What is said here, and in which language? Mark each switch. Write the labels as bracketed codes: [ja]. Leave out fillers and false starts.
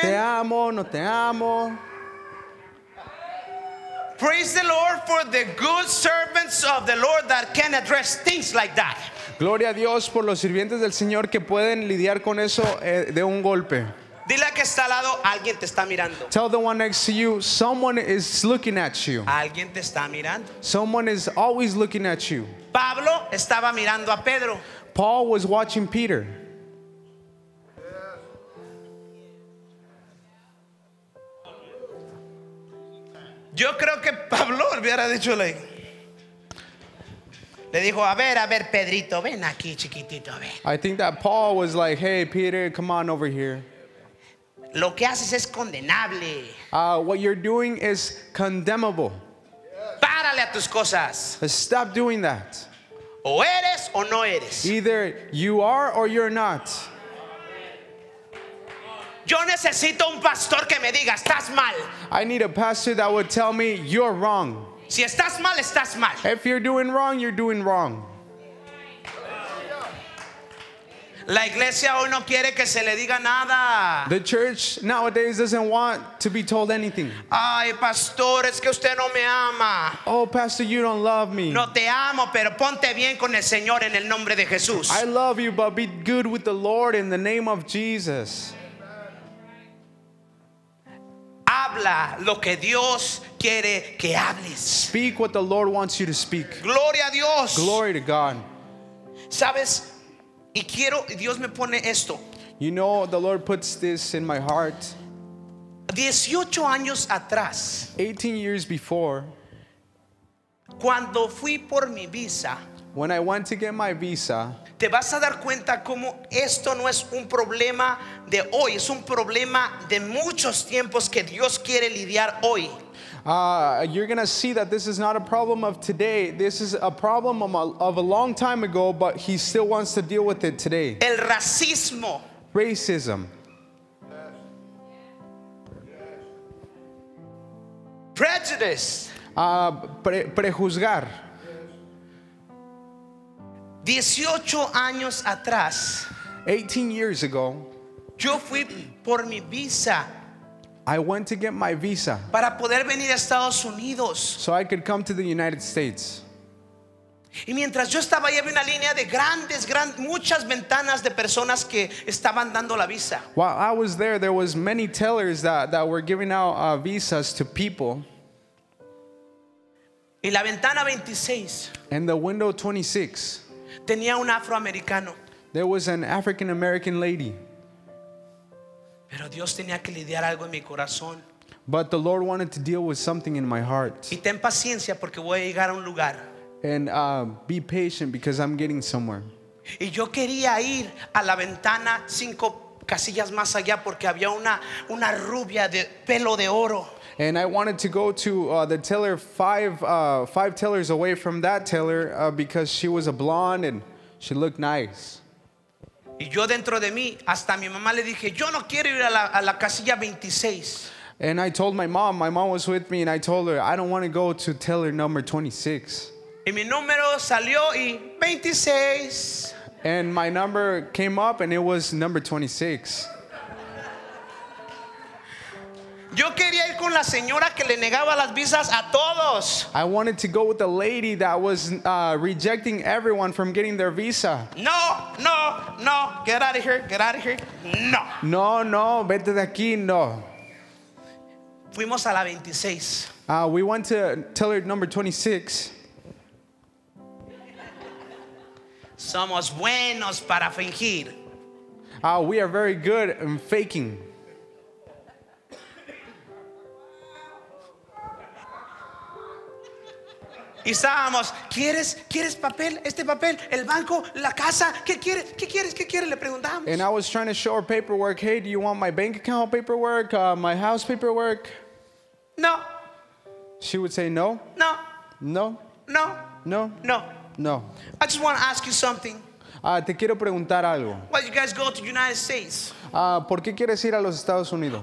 [es] Te amo, no te amo. [en] Praise the Lord for the good servants of the Lord that can address things like that. [es] Gloria a Dios por los sirvientes del Señor que pueden lidiar con eso de un golpe. Dile a que está al lado, alguien te está mirando. [en] Tell the one next to you, someone is looking at you. [es] Alguien te está mirando. [en] Someone is always looking at you. [es] Pablo estaba mirando a Pedro. [en] Paul was watching Peter. [es] Yo creo que Pablo hubiera dicho ley. Le dijo, a ver, Pedrito, ven aquí, chiquitito, ven. [en] I think that Paul was like, hey, Peter, come on over here. [es] Lo que haces es condenable. [en] What you're doing is condemnable. [es] Párale a tus cosas. [en] Stop doing that. [es] O eres o no eres. [en] Either you are or you're not. [es] Yo necesito un pastor que me diga, estás mal. [en] I need a pastor that would tell me, you're wrong. [es] Si estás mal, estás mal. [en] If you're doing wrong, you're doing wrong. [es] La iglesia hoy no quiere que se le diga nada. [en] The church nowadays doesn't want to be told anything. [es] Ay, pastor, es que usted no me ama. [en] Oh, pastor, you don't love me. [es] No te amo, pero ponte bien con el Señor en el nombre de Jesús. [en] I love you, but be good with the Lord in the name of Jesus. [es] Habla lo que Dios quiere que hables. [en] Speak what the Lord wants you to speak. [es] Gloria a Dios. [en] Glory to God. [es] Sabes, y quiero, Dios me pone esto. [en] You know, the Lord puts this in my heart. [es] 18 años atrás. [en] 18 years before. [es] Cuando fui por mi visa. [en] When I went to get my visa. [es] Te vas a dar cuenta cómo esto no es un problema de hoy, es un problema de muchos tiempos que Dios quiere lidiar hoy. [en] You're going to see that this is not a problem of today. This is a problem of a long time ago, but he still wants to deal with it today. [es] El racismo. [en] Racism. Prejudice. [es] Prejuzgar. 18 años atrás. [en] 18 years ago. [es] Yo fui por mi visa. [en] I went to get my visa. [es] Para poder venir a Estados Unidos. [en] So I could come to the United States. [es] Y mientras yo estaba ahí había una línea de muchas ventanas de personas que estaban dando la visa. [en] While I was there, there was many tellers that were giving out visas to people. [es] Y la ventana 26. [en] And the window 26. [es] Tenía un afroamericano. [en] There was an African American lady. [es] Pero Dios tenía que lidiar algo en mi corazón. [en] But the Lord wanted to deal with something in my heart. [es] Y ten paciencia porque voy a llegar a un lugar. [en] And be patient because I'm getting somewhere. [es] Y yo quería ir a la ventana cinco casillas más allá porque había una rubia de pelo de oro. [en] And I wanted to go to the teller five tellers away from that teller because she was a blonde and she looked nice. [es] Y yo dentro de mí hasta mi mamá le dije, yo no quiero ir a la casilla 26. [en] And I told my mom was with me, and I told her, I don't want to go to teller number 26. [es] Y mi número salió y 26. [en] And my number came up and it was number 26. [es] Yo quería ir con la señora que le negaba las visas a todos. [en] I wanted to go with the lady that was rejecting everyone from getting their visa. No, no, no. Get out of here. Get out of here. No. [es] No, no. Vete de aquí. No. Fuimos a la 26. [en] We went to teller number 26. [es] Somos buenos para fingir. [en] We are very good in faking. [es] Y estábamos, ¿quieres papel? Este papel, el banco, la casa, ¿qué quieres? Le preguntábamos. [en] And I was trying to show her paperwork. Hey, do you want my bank account paperwork, my house paperwork? No. She would say no. No. No. No. No. No. No. I just want to ask you something. [es] Te quiero preguntar algo. [en] Why you guys go to the United States? [es] ¿Por qué quieres ir a los Estados Unidos?